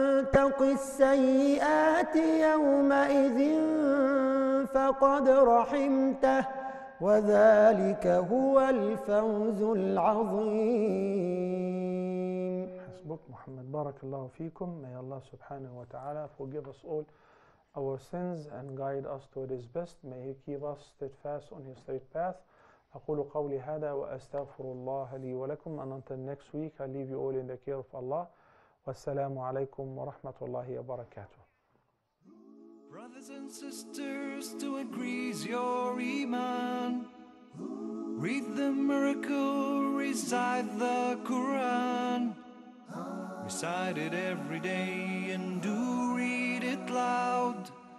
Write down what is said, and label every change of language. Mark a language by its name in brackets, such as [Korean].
[Arabic] تق السيئات يومئذ فقد رحمته وذلك هو الفوز العظيم. حسبك محمد بارك الله فيكم. [English] May Allah subhanahu wa ta'ala forgive us all our sins and guide us toward his best. May he keep us steadfast on his straight path. [Arabic] أقول قولي هذا وأستغفر الله لي ولكم. [English] And until next week, I leave you all in the care of Allah. [Arabic] والسلام عليكم ورحمة الله وبركاته. [English] Brothers and sisters, to increase your iman, read the miracle, recite the Quran, recite it every day and do read it loud.